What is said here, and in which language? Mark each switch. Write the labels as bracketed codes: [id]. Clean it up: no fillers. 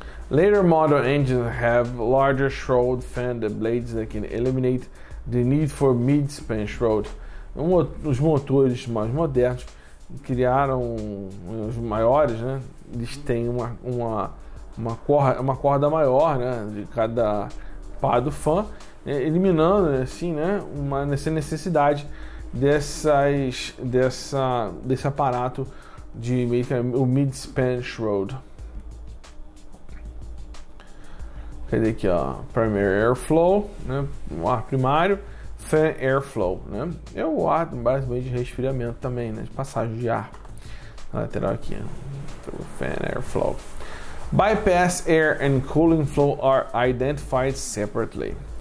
[en] Later model engines have larger shroud fan than blades that can eliminate the need for mid-span shroud. [pt] Os motores mais modernos criaram os maiores, né? Eles têm uma corda maior, né, de cada par do fã, eliminando assim, né, essa necessidade desse aparato de o mid-span shroud. Cadê aqui, ó? Primary airflow, né, o ar primário, fan airflow, né, é o ar basicamente de resfriamento também, né, de passagem de ar. Na lateral aqui, então, fan airflow. [en] Bypass air and cooling flow are identified separately.